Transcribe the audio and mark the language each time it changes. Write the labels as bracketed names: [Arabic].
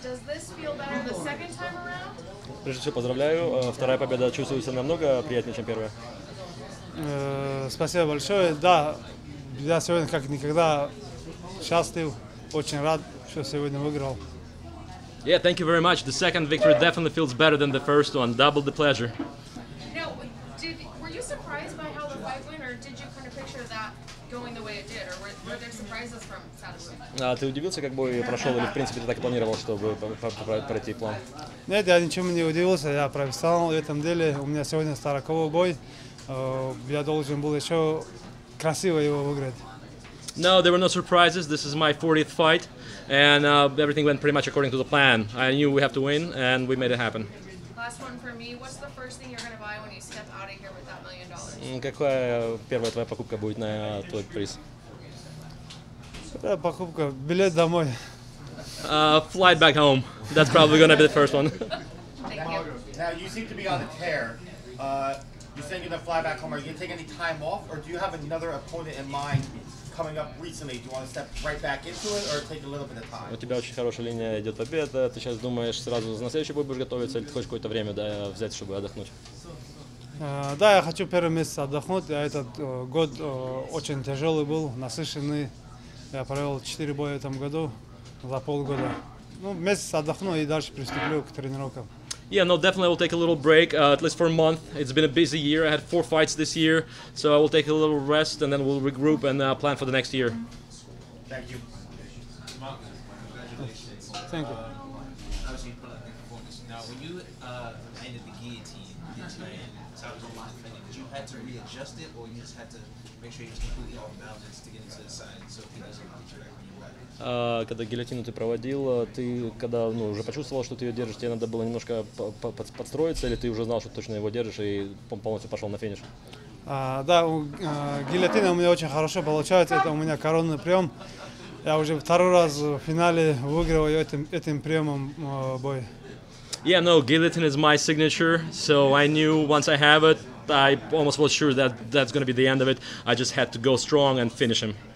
[English] Does this feel better the second time around? [Russian] Прежде всего, поздравляю. Вторая победа чувствуется намного приятнее, чем первая. Спасибо большое. Да, я сегодня как никогда счастлив, очень рад, что сегодня выиграл. [English] Yeah, thank you very much. The second victory definitely feels better than the first one. Double the pleasure. Now, were you surprised by how the fight went, or did you kind of picture that going the way it did, or were there surprises from Saturday? [Russian] Ты удивился, как бой прошел, или в принципе ты так планировал, чтобы пройти план? Нет, я ничему не удивился. Я профессионал в этом деле. У меня сегодня староковый бой. Я должен был еще красиво его выиграть. [English] No, there were no surprises. This is my 40th fight, and everything went pretty much according to the plan. I knew we have to win, and we made it happen. Last one for me. What's the first thing you're going to buy when you step out of here with $1 million? [Russian] Какая первая твоя покупка будет на твой приз? Первая покупка – билет домой. [English] Flight back home. That's probably going to be the first one. Thank you. Now, you seem to be on a tear. You're saying you're going to fly back home. Are you going to take any time off, or do you have another opponent in mind? Coming up recently, do you want to step right back into it or take a little bit of time? [Russian] У тебя очень хорошая линия идет победа. Ты сейчас думаешь сразу на следующий бой будешь готовиться или ты хочешь какое-то время, да, взять, чтобы отдохнуть? Да, я хочу первый месяц отдохнуть. Я этот год очень тяжелый был, насыщенный. Я провел 4 боя в этом году за полгода. Ну, месяц отдохну и дальше приступлю к тренировкам. [English] Yeah, no, definitely I will take a little break, at least for a month. It's been a busy year. I had 4 fights this year, so I will take a little rest and then we'll regroup and plan for the next year. Thank you. Mark, congratulations. Thank you. Obviously, you put up good performance. Now, when you landed the guillotine, did you have to readjust it or you just had to make sure you're completely off balance to get into the side so he doesn't interact with you? [Russian] Когда гильотину ты проводил, ты когда уже почувствовал, что ты ее держишь, тебе надо было немножко подстроиться, или ты уже знал, что точно его держишь и полностью пошел на финиш? Да, гильотина у меня очень хорошо получается, это у меня коронный прием. Я уже второй раз в финале выигрываю этим приемом бой. [English] Yeah, no, guillotine is my signature, so I knew once I have it, I almost was sure that that's gonna be the end of it. I just had to go strong and finish him.